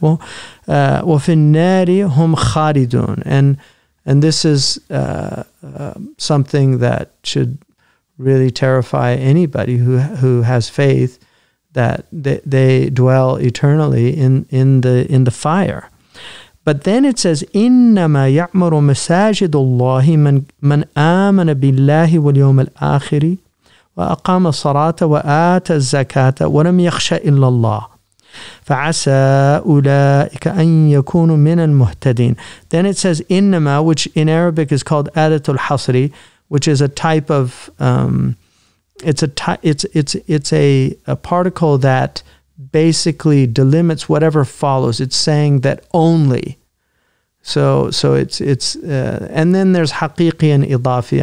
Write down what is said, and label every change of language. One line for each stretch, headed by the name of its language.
Arabic: وَفِي النَّارِ هُمْ خَالِدُونَ.
English: And this is something that should really terrify anybody who has faith, that they dwell eternally in the fire. But then it says,
Arabic: إِنَّمَا يَعْمَرُ مَسَاجِدُ اللَّهِ مَنْ آمَنَ بِاللَّهِ وَالْيَوْمِ الْآخِرِ وَأَقَامَ الصَّلَاةَ وَآتَ الزَّكَاةَ وَلَمْ يَخْشَ إِلَّا اللَّهِ فَعَسَىٰ أُولَٰئِكَ أَن يَكُونُوا مِنَ الْمُهْتَدِينَ.
English: Then it says إِنَّمَا, which in Arabic is called
Arabic: أَدَةُ الْحَصْرِ,
English: which is a type of, it's a particle that basically delimits whatever follows. It's saying that only. So it's and then there's haqiqi and idafi.